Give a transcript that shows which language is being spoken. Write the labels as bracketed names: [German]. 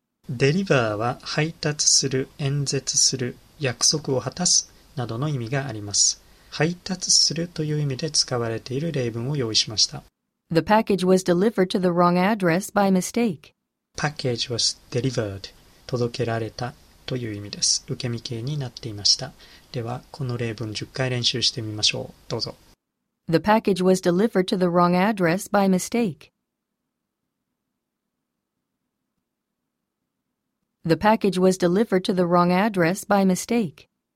[Japanese] デリバーは配達する、演説する、約束を果たすなどの意味があります。配達するという意味で使われている例文を用意しました。 [English] The package was delivered to the wrong address by mistake. Package was delivered. [Japanese] 届けられたという意味です。受け身形になっていました。では、この例文10回練習してみましょう。どうぞ。 [English] The package was delivered to the wrong address by mistake. The package was delivered to the wrong address by mistake.